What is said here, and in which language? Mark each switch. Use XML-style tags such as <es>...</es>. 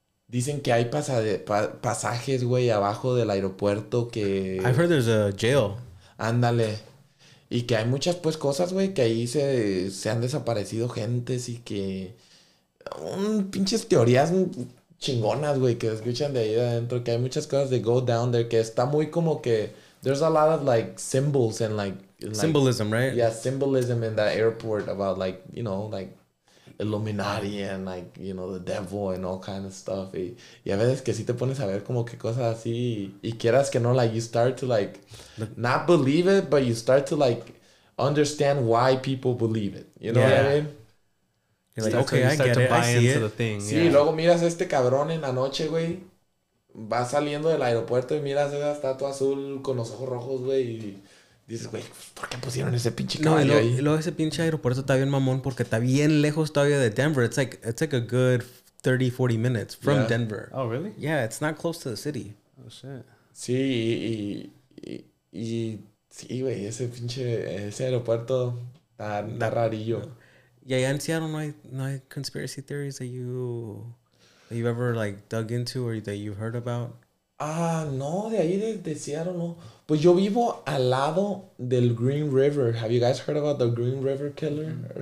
<es>Dicen que hay pasajes, güey, abajo del aeropuerto que...</es> <en>I've heard there's a jail.</en> <es>Ándale. Y que hay muchas, pues, cosas, güey, que ahí se han desaparecido gentes y que... pinches teorías chingonas, güey, que escuchan de ahí adentro. Que hay muchas cosas de</es> <en>go down there</en> <es>que está muy como que...</es> <en>There's a lot of, like, symbols and, like... Like, symbolism, right? Yeah, symbolism in that airport about, like, you know, like, Illuminati and, like, you know, the devil and all kind of stuff.</en> <es>Y a veces que sí te pones a ver como que cosas así y quieras que no,</es> <en>like, you start to, like, not believe it, but you start to, like, understand why people believe it. You know what I mean? You're like, okay, you start to buy into the thing.</en> <es>Sí,</es> <en>yeah.</en> <es>Luego miras a este cabrón en la noche, güey. Va saliendo del aeropuerto y miras esa estatua azul con los ojos rojos, güey, y... Dices, güey, ¿por qué pusieron ese pinche caballo ahí? No, y luego ese pinche aeropuerto está bien mamón porque está bien lejos todavía de Denver.</es> <en>It's like a good 30, 40 minutes from Denver. Oh, really? Yeah, it's not close to the city. Oh, shit.</en> <es>Sí, y sí, güey, ese aeropuerto está rarillo. Y allá en Seattle no hay</es> <en>conspiracy theories that you've ever, like, dug into or that you've heard about?</en> <es>Ah, no, de ahí de Seattle no. Pues yo vivo al lado del Green River.</es> <en>Have you guys heard about the Green River Killer?</en>